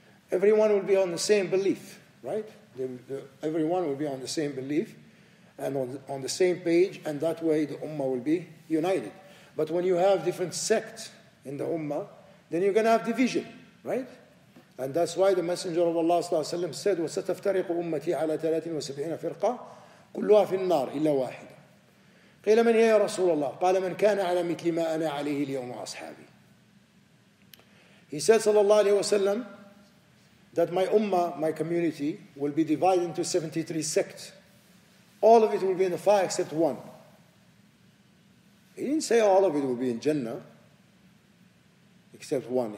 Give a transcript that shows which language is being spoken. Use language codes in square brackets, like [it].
[en] Everyone will be on the same belief, right? Everyone will be on the same belief and on the same page, and that way the Ummah will be united. But when you have different sects in the Ummah, then you're going to have division, right? And that's why the Messenger of Allah Sallallahu Alaihi Wasallam said, [ar] وَسَتَفْتَرِقُ أُمَّتِي عَلَى 73 فِرْقَةٍ كلها في النار إلا واحد. قيل من هي يا رسول الله؟ قال من كان على مثل ما أنا عليه اليوم وأصحابي. [en] He said [ar] صلى الله عليه وسلم [en] that my ummah, my community, will be divided into 73 sects. All of it will be in the fire except one. He didn't say all of it will be in Jannah except one.